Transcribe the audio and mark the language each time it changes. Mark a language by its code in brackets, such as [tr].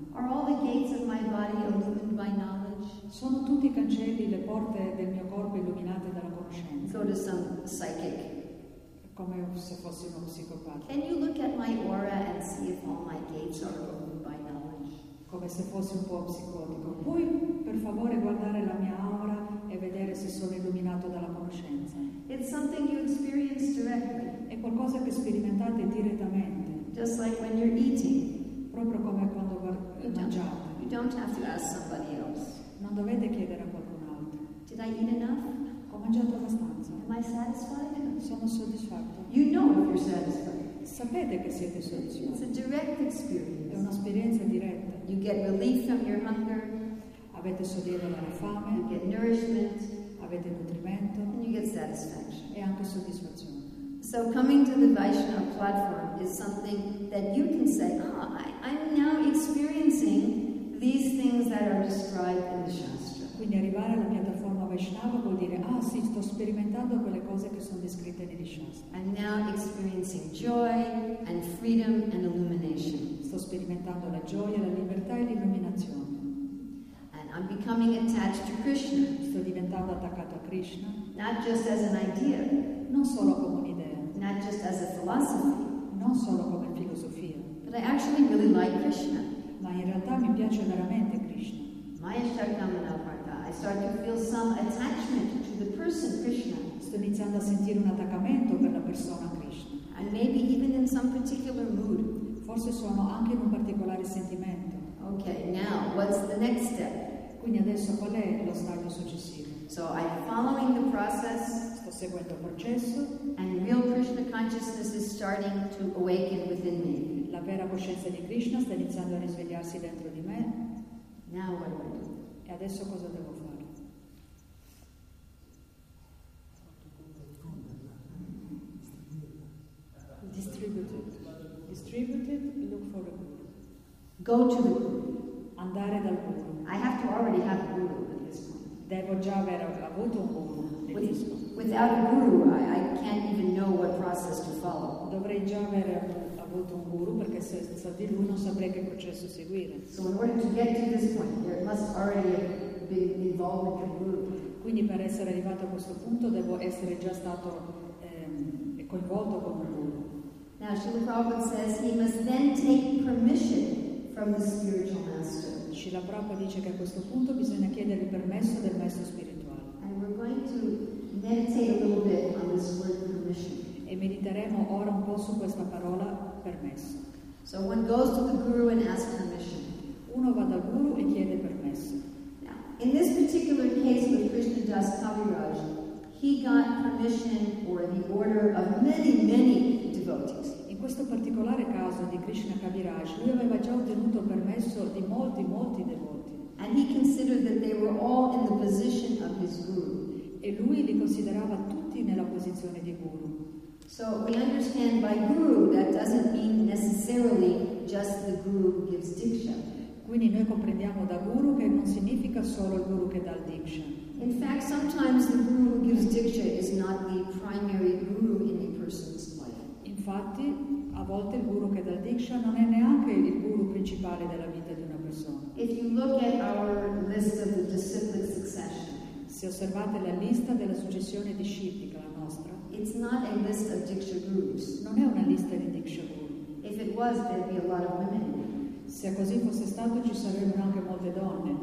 [en] Are all the gates of my body illumined by knowledge? [it] Sono tutti i cancelli, le porte del mio corpo illuminate dalla conoscenza. [en] Go to some psychic. [it] Come se fossi uno psicopatico. [en] Can you look at my aura and see if all my gates are illumined by knowledge? [it] Come se fossi un po' psicotico. Puoi per favore guardare la mia aura e vedere se sono illuminato dalla conoscenza? [en] It's something you experience directly. [it] È qualcosa che sperimentate direttamente. [en] Just like when you're eating. [it] Proprio come quando mangiate. [en] You don't have to ask somebody else. [it] Non dovete chiedere a qualcun altro. [en] Did I eat enough? [it] Ho mangiato abbastanza. [en] Am I satisfied? [it] Sono soddisfatto. [en] You know if you're satisfied. [it] Sapete che siete soddisfatti. [en] It's a direct experience. [it] È un'esperienza diretta. [en] You get relief from your hunger. [it] Avete sollievo dalla fame. [en] You get nourishment. [it] Avete nutrimento. [en] And you get satisfaction. [it] E anche soddisfazione. [en] So coming to the Vaishnava platform is something that you can say, I'm now experiencing these things that are described in the Shastra. [it] Quindi arrivare alla piattaforma Vaishnava vuol dire, sì, sto sperimentando quelle cose che sono descritte nelle Shastra. [en] I'm now experiencing joy and freedom and illumination. [it] Sto sperimentando la gioia, la libertà e l'illuminazione. [en] And I'm becoming attached to Krishna. [it] Sto diventando attaccato a Krishna. [en] Not just as an idea. [it] Non solo come un'idea. [en] Not just as a philosophy, [it] non solo come filosofia, [en] but I actually really like Krishna. [it] Ma in realtà mi piace veramente Krishna. [en] Maya Shakyamuna Parta, I start to feel some attachment to the person Krishna. [it] Sto iniziando a sentire un attaccamento per la persona Krishna. [en] And maybe even in some particular mood. [it] Forse sono anche in un particolare sentimento. [en] Okay, now what's the next step? [it] Quindi adesso qual è lo stadio successivo? [en] So I'm following the process. [it] Seguendo il processo, [en] and real Krishna consciousness is starting to awaken within me. [it] La vera coscienza di Krishna sta iniziando a risvegliarsi dentro di me. [en] Now what do I do? [it] E adesso cosa devo fare? [en] Distribute it. Look for the guru. Go to the guru. [it] Andare dal guru. [en] I have to already have a guru at this point. [it] Devo già aver avuto un guru. [en] Without a guru, I can't even know what process to follow. [it] Dovrei già aver avuto un guru perché senza di lui non saprei che processo seguire. [en] So in order to get to this point, there must already be involvement from guru. [it] Quindi per essere arrivato a questo punto devo essere già stato coinvolto con un guru. [en] Now Srila Prabhupada says he must then take permission from the spiritual master. [it] Srila Prabhupada dice che a questo punto bisogna chiedere il permesso del maestro spirituale. [en] And we're going to meditate a little bit on this word permission. [it] E mediteremo ora un po' su questa parola permesso. [en] So one goes to the guru and asks permission. [it] Uno va dal guru e chiede permesso. [en] Now, In this particular case with Krishnadas Kaviraj, he got permission or the order of many, many devotees. [it] In questo particolare caso di Krishna Kaviraj, lui aveva già ottenuto permesso di molti, molti devoti. [en] And he considered that they were all in the position of his guru. [it] E lui li considerava tutti nella posizione di guru. [en] So we understand by guru that doesn't mean necessarily just the guru who gives diksha. [it] Quindi noi comprendiamo da guru che non significa solo il guru che dà il diksha. [en] In fact, sometimes the guru who gives diksha is not the primary guru in a person's life. [it] Infatti, a volte il guru che dà il diksha non è neanche il guru principale della vita di una persona. [en] If you look at our list of the disciplic succession, [it] se osservate la lista della successione discipliche, la nostra, [en] it's not a list of diksha gurus. [it] Non è una lista di diksha guru. [en] If it was, there'd be a lot of women. [it] Se così fosse stato, ci sarebbero anche molte donne.